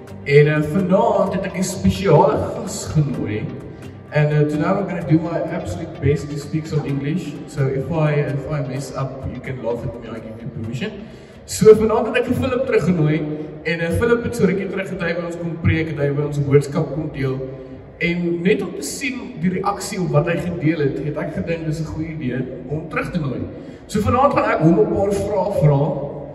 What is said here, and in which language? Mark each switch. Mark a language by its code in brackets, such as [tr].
[af] En vanavond het ek 'n spesiale gas genooi. [en] And today I'm going to do my absolute best to speak some English. So if I mess up, you can laugh at me, I give you permission. [af] So vanavond het ek Philip teruggenooi en Philip het so rukkie terug gedui by ons kom preek, het hy by ons boodskap kom deel. En net om te sien die reaksie op wat hy gedeel het, het ek gedink dis 'n goeie idee om terug te nooi. So vanavond gaan ek hom 'n paar vrae vra.